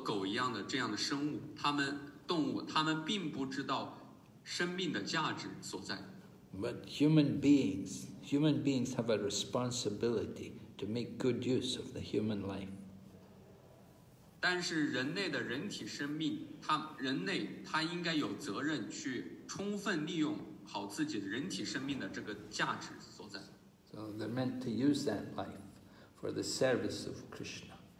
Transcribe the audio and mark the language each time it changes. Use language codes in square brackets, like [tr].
[zh] 像猫和狗一样的这样的生物, 他们动物, 他们并不知道生命的价值所在。 [en] But human beings have a responsibility to make good use of the human life. [zh] 但是人类的人体生命, 人类他应该有责任去充分利用好自己人体生命的这个价值。 [en] So they're meant to use that life for the service of Krishna.